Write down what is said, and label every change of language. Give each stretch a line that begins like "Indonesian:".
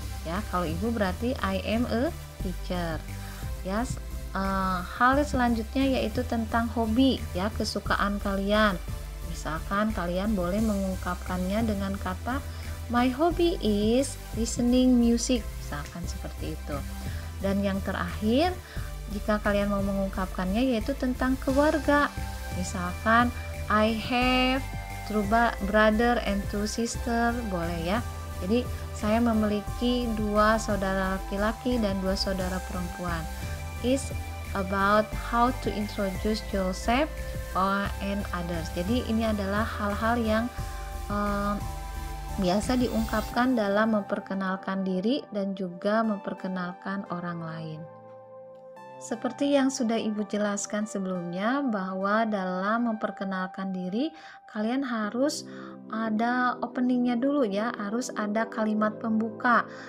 Indonesian: Ya, kalau ibu berarti
English: I am a teacher.
Indonesian: Ya, hal selanjutnya yaitu tentang hobi ya, kesukaan kalian. Misalkan kalian boleh mengungkapkannya dengan kata
English: my hobby is listening music,
Indonesian: misalkan seperti itu. Dan yang terakhir, jika kalian mau mengungkapkannya, yaitu tentang keluarga. Misalkan
English: I have two brother and two sister,
Indonesian: boleh ya. Jadi saya memiliki dua saudara laki-laki dan dua saudara perempuan.
English: It's about how to introduce yourself or and others.
Indonesian: Jadi ini adalah hal-hal yang biasa diungkapkan dalam memperkenalkan diri dan juga memperkenalkan orang lain. Seperti yang sudah Ibu jelaskan sebelumnya, bahwa dalam memperkenalkan diri, kalian harus ada openingnya dulu ya, harus ada kalimat pembuka.